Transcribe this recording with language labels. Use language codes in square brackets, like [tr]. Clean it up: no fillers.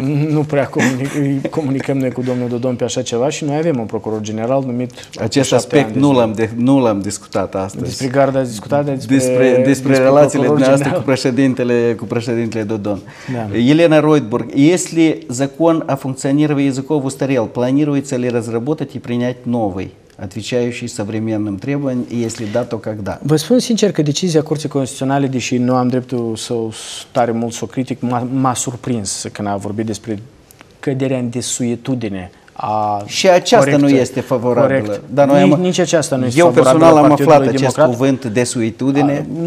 [ro] Nu prea comunicăm noi cu domnul Dodon pe așa ceva și noi avem un procuror general numit... Acest aspect nu l-am, nu l-am discutat astăzi. Despre garda ați discutat, despre relațiile dumneavoastră cu președintele Dodon. Da. [ru] Elena Ройтбург, если закон о функционировании языков устарел, планируется ли разработать и принять новый? Отвечающий современным требованиям, если да, то когда? [ro] Vă spun sincer că decizia Curții Constituționale, deși nu am dreptul să o tare mult să o critic, m-a surprins când a vorbit despre căderea în desuietudine. Și aceasta corect, nu este favorabilă. Dar noi nici aceasta nu este favorabilă. Eu personal am aflat acest cuvânt, desuietudine.